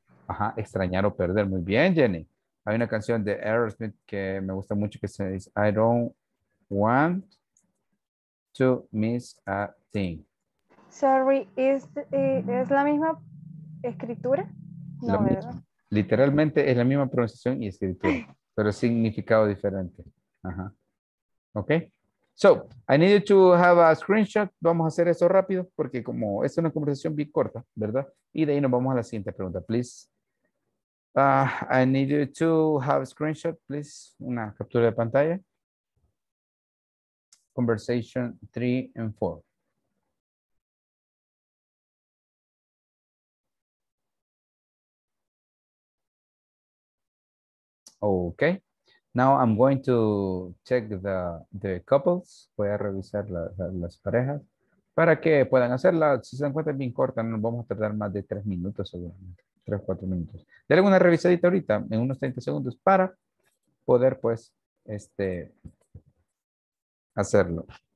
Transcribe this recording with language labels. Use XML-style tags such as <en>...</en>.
<es>Ajá, extrañar o perder. Muy bien, Jenny. Hay una canción de Aerosmith que me gusta mucho que se dice,</es> <en>I don't want to miss a thing.</en> <es>Sorry, ¿es la misma escritura? No, la misma. Literalmente es la misma pronunciación y escritura, pero significado diferente. Ajá. Ok.</es> <en>So, I need you to have a screenshot.</en> <es>Vamos a hacer eso rápido porque como es una conversación bien corta, ¿verdad? Y de ahí nos vamos a la siguiente pregunta, please.</es> <en>I need you to have a screenshot, please.</en> <es>Una captura de pantalla.</es> <en>Conversation 3 and 4. Okay, now I'm going to check the couples.</en> <es>Voy a revisar las parejas para que puedan hacerla. Si se dan cuenta, es bien corta. No vamos a tardar más de 3 minutos, seguramente. 3, 4 minutos. Dale una revisadita ahorita en unos 30 segundos para poder, pues, hacerlo.</es>